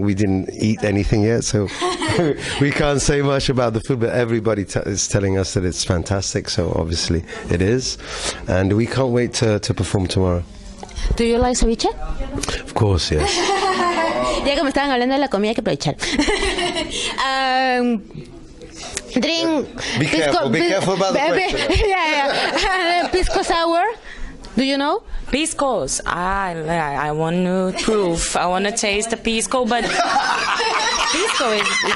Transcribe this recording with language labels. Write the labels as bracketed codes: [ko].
[en] We didn't eat anything yet, so we can't say much about the food, but everybody is telling us that it's fantastic, so obviously it is, and we can't wait to perform tomorrow. Do you like ceviche? Of course, yes. [es] Ya que me estaban hablando de la comida, hay que aprovechar. [en] Drink. Be careful about the pressure. Pisco sour. Do you know? Pisco. I want to prove. I want to taste the pisco, but pisco is